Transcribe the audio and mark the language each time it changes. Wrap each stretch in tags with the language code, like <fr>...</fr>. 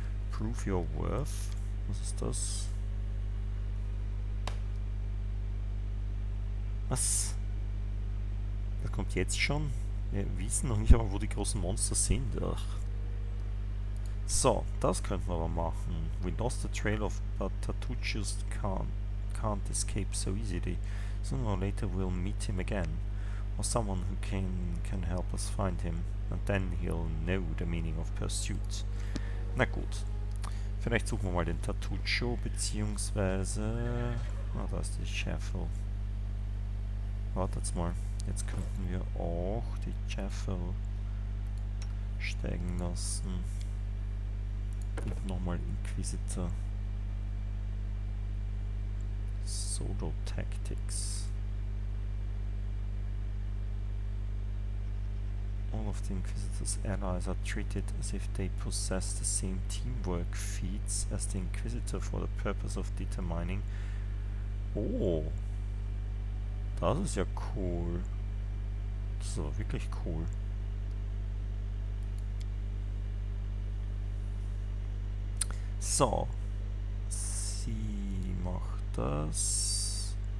<en>Prove your worth.</en> <de>Was ist das? Was? Das kommt jetzt schon? Wir wissen noch nicht aber, wo die großen Monster sind. Ach. So, das könnten wir aber machen.</de> <en>We lost the trail of Tatuchus Khan. Can't escape so easily. Sooner or later we'll meet him again. Or someone who can help us find him. And then he'll know the meaning of pursuit.</en> <de>Na gut. Vielleicht suchen wir mal den Tatucho, beziehungsweise... Ah, oh, da ist die Chaffel. Wartet's mal. Jetzt könnten wir auch die Chaffel steigen lassen. Und nochmal Inquisitor.</de> <en>Solo Tactics. All of the Inquisitor's allies are treated as if they possess the same teamwork feats as the Inquisitor for the purpose of determining.</en> <de>Oh! Das ist ja cool. Das ist aber wirklich cool. So. Sie macht das.</de>